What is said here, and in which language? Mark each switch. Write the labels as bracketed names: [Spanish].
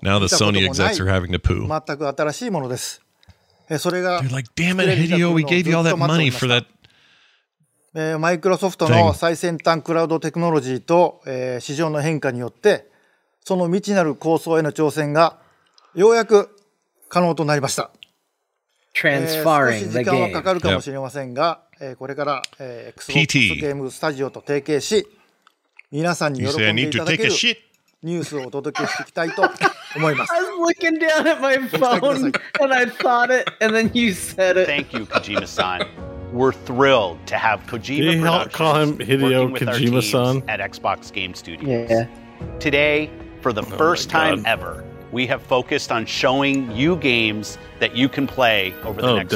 [English] Now the Sony execs are having to poo. [Japanese] Mattaku atarashii mono desu. Sore ga. [English] They're like, damn it, Hideo, we gave you all that money for that. [Japanese] マイクロソフトの最先端クラウドテクノロジーと、市場の変化によってその未知なる構想への挑戦がようやく可能となりました。 [English] Transferring the game. [Japanese] 少し時間はかかるかもしれませんが、これから、Xbox ゲームスタジオと提携し皆さんに喜んでいただけるニュースをお届けしていきたいと思います。 [English] I was looking down at my phone and I thought it and then you said it. Thank you, Kojima-san. We're thrilled to have Kojima Productions call him Hideo Kojima-san at Xbox Game Studios. Yeah. Today, for the first time ever, we have focused on showing you games that you can play over the next 12